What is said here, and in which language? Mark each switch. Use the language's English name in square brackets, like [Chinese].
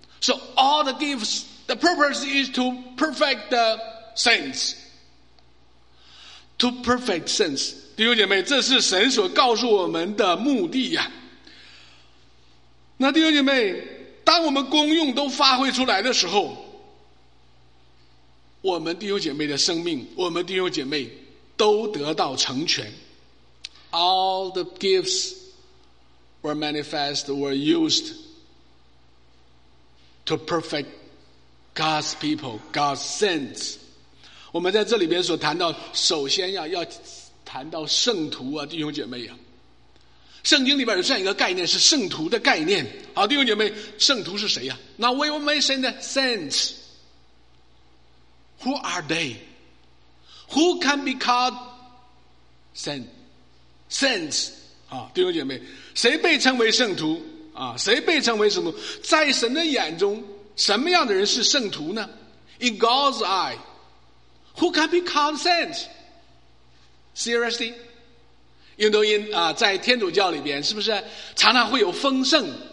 [English] So all the gifts,The purpose is to perfect the saints. To perfect saints. [Chinese] 弟兄姐妹，这是神所告诉我们的目的呀。那弟兄姐妹，当我们功用都发挥出来的时候，我们弟兄姐妹的生命，我们弟兄姐妹都得到成全。 [English] all the gifts were manifest, were used to perfect God's people, God's saints. [Chinese] 我们在这里边所谈到，首先要谈到圣徒啊，弟兄姐妹啊。圣经里边有这样一个概念，是圣徒的概念。好，弟兄姐妹，圣徒是谁呀？ [English] Now we mention the saints. Who are they? Who can be called saints? Saints. [Chinese] 好，弟兄姐妹，谁被称为圣徒啊？谁被称为圣徒？在神的眼中，什么样的人是圣徒呢？ [English] In God's eye, who can be called saints? Seriously? [Chinese] 印度因啊，在天主教里边，是不是常常会有封圣？